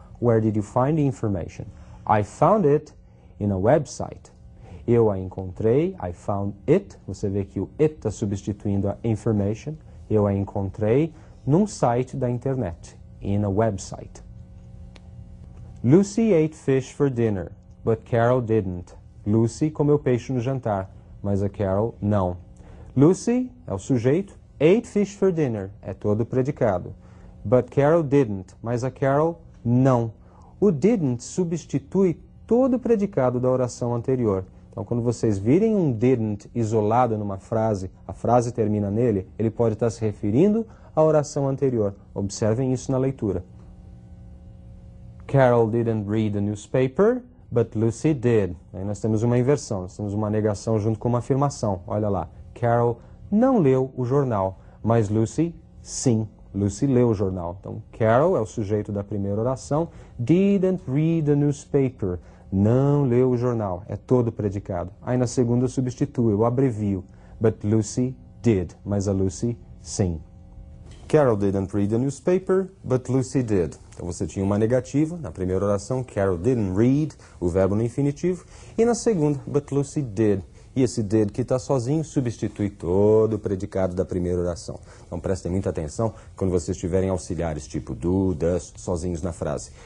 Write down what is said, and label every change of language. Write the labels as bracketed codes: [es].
[en] Where did you find the information? I found it in a website. [pt] Eu a encontrei, [en] I found it. [pt] Você vê que o it está substituindo a information. Eu a encontrei num site da internet, [en] in a website. Lucy ate fish for dinner, but Carol didn't. [pt] Lucy comeu peixe no jantar, mas a Carol não. Lucy é o sujeito, [en] ate fish for dinner, [pt] é todo predicado. [en] But Carol didn't, [pt] mas a Carol não. O didn't substitui todo o predicado da oração anterior. Então, quando vocês virem um didn't isolado numa frase, a frase termina nele, ele pode estar se referindo à oração anterior. Observem isso na leitura. [en] Carol didn't read the newspaper, but Lucy did. [pt] Aí nós temos uma inversão, nós temos uma negação junto com uma afirmação. Olha lá, Carol não leu o jornal, mas Lucy, sim, Lucy leu o jornal. Então, Carol é o sujeito da primeira oração, [en] didn't read the newspaper. [pt] Não leu o jornal, é todo predicado. Aí na segunda eu substituo, eu abrevio. [en] But Lucy did, [pt] mas a Lucy sim. [en] Carol didn't read the newspaper, but Lucy did. [pt] Então você tinha uma negativa na primeira oração, [en] Carol didn't read, [pt] o verbo no infinitivo. E na segunda, [en] but Lucy did. [pt] E esse did que está sozinho substitui todo o predicado da primeira oração. Então prestem muita atenção quando vocês tiverem auxiliares tipo do, das, sozinhos na frase.